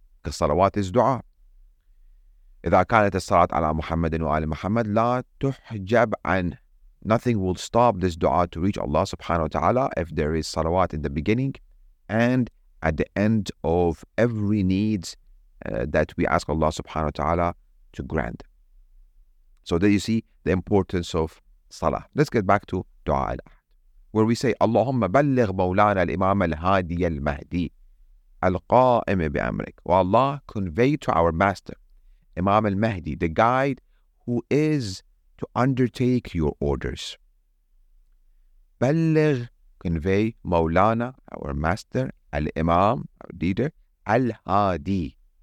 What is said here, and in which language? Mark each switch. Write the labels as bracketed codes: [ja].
[en] The salawat is dua. [ar] إِذَا كَانَتَ الصَّلَاةَ عَلَىٰ مُحَمَّدٍ وَعَلِ مُحَمَّدٍ لَا تُحْجَبْ عَنْ. [en] Nothing will stop this dua to reach Allah subhanahu wa ta'ala if there is salawat in the beginning and at the end of every need that we ask Allah subhanahu wa ta'ala to grant. So there you see the importance of salah. Let's get back to dua al-ahad, where we say, [ar] اللهم بلغ مولانا الإمام الهادي المهدي القائم بأمرك. [en] Wa Allah, convey to our master Imam al-Mahdi, the guide who is to undertake your orders. بلغ, convey, مولانا, our master, al-Imam, our leader, al-Hadi.